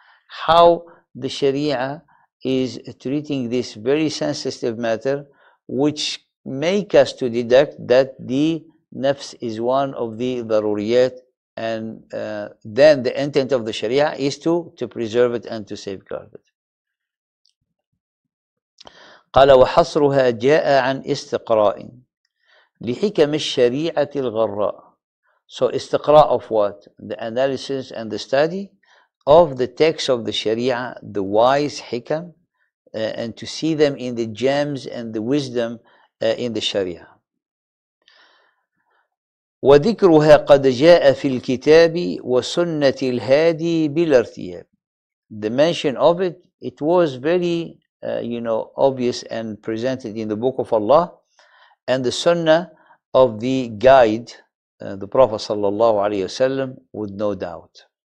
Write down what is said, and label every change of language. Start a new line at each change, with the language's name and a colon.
English: how the Sharia is treating this very sensitive matter, which make us to deduct that the nafs is one of the daruriyat, and then the intent of the Sharia is to preserve it and to safeguard it.
Arabic: قال وحصرها جاء عن استقراء لحكم الشريعة الغراء.
English: So استقراء of what? The analysis and the study of the text of the Sharia, the wise hikam, and to see them in the gems and the wisdom in the Sharia.
Arabic: وذكرها قد جاء في الكتاب وسنة الهادي بلا ارتياب.
English: The mention of it, it was very obvious and presented in the Book of Allah and the Sunnah of the guide, the Prophet sallallahu alayhi wasallam, with no doubt.